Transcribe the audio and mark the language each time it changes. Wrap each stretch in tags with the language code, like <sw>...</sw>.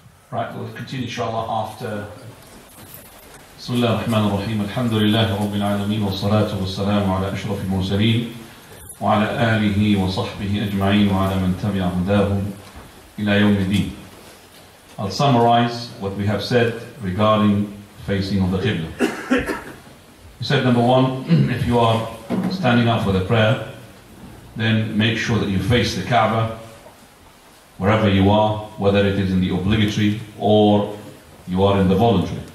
<en>Right, we'll continue inshallah after.</en> <ar>بسم الله الرحمن الرحيم الحمد لله رب العالمين والصلاة والسلام على أشرف المرسلين وعلى آله وصحبه أجمعين وعلى من تبع هداهم إلى يوم الدين.</ar> <en>I'll summarize what we have said regarding facing of the Qibla. We said number one, if you are standing up for the prayer, then make sure that you face the Kaaba wherever you are, whether it is in the obligatory or you are in the voluntary.</en>